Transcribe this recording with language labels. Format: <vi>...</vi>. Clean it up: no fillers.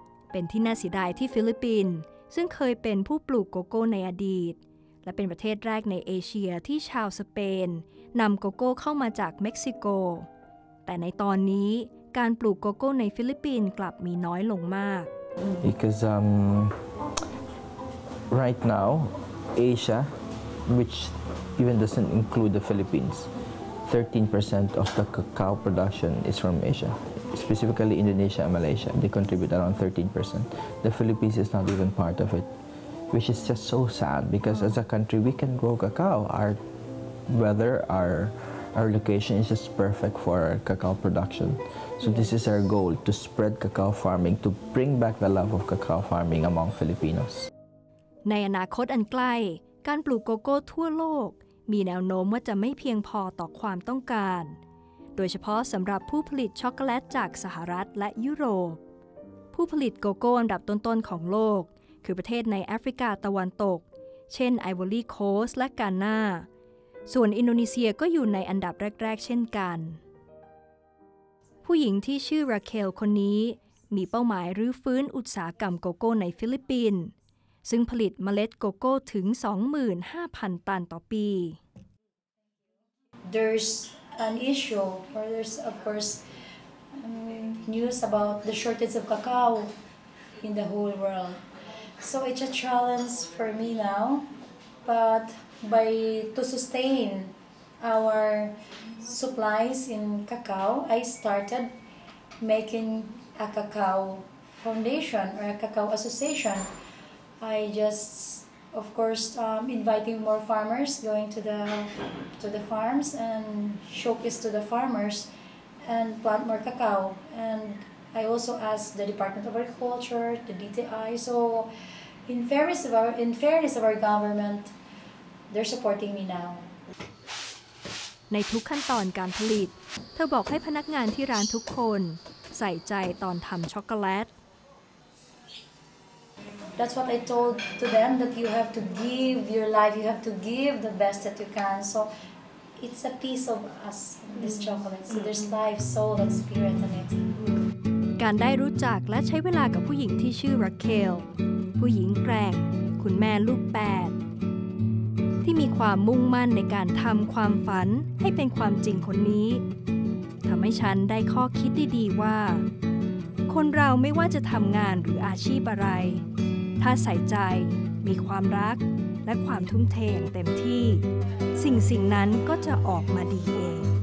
<th>เป็นที่น่าเสียดายที่ฟิลิปปินส์ซึ่งเคยเป็นผู้ปลูกโกโก้ในอดีตและเป็นประเทศแรกในเอเชียที่ชาวสเปนนำโกโก้เข้ามาจากเม็กซิโกแต่ในตอนนี้การปลูกโกโก้ในฟิลิปปินส์กลับมีน้อยลงมาก</th> <en>Because right now Asia which even doesn't include the Philippines 13% of the cacao production is from Asia specifically Indonesia and Malaysia they contribute around 13% the Philippines is not even part of it which is just so sad because as a country we can grow cacao our weather our location is just perfect for cacao productionSo this is our goal to spread cacao farming to bring back the love of cacao farming among Filipinos.</en> <th>ในอนาคตอันใกล้การปลูกโกโก้ทั่วโลกมีแนวโน้มว่าจะไม่เพียงพอต่อความต้องการโดยเฉพาะสำหรับผู้ผลิตช็อกโกแลตจากสหรัฐและยุโรปผู้ผลิตโกโก้อันดับต้นๆของโลกคือประเทศในแอฟริกาตะวันตกเช่นไอวอรี่โคสต์และกานาส่วนอินโดนีเซียก็อยู่ในอันดับแรกๆเช่นกัน ผู้หญิงที่ชื่อราเคลคนนี้มีเป้าหมายรื้อฟื้นอุตสาหกรรมโกโก้ในฟิลิปปินส์ซึ่งผลิตเมล็ดโกโก้ถึง 25,000 ตันต่อปี</th> <en>there's an issue, or there's of course news about the shortage of cacao in the whole world. So it's a challenge for me now, but by to sustain our supplies in cacao, I started making a cacao foundation or a cacao association. I just, of course, inviting more farmers, going to the farms and showcase to the farmers and plant more cacao. And I also asked the Department of Agriculture, the DTI. So in fairness of our government, they're supporting me now.</en> <th>ในทุกขั้นตอนการผลิตเธอบอกให้พนักงานที่ร้านทุกคนใส่ใจตอนทำช็อกโกแลต</th> <en>That's what I told to them, that you have to give your life, you have to give the best that you can. So it's a piece of us, this chocolate. So there's life, soul and spirit in it.</en> <th>การได้รู้จักและใช้เวลากับผู้หญิงที่ชื่อราเคลผู้หญิงแกร่งคุณแม่ลูก8ที่มีความมุ่งมั่นในการทำความฝันให้เป็นความจริงคนนี้ทำให้ฉันได้ข้อคิดดีๆว่าคนเราไม่ว่าจะทำงานหรืออาชีพอะไรถ้าใส่ใจมีความรักและความทุ่มเทอย่างเต็มที่สิ่งนั้นก็จะออกมาดีเอง</th>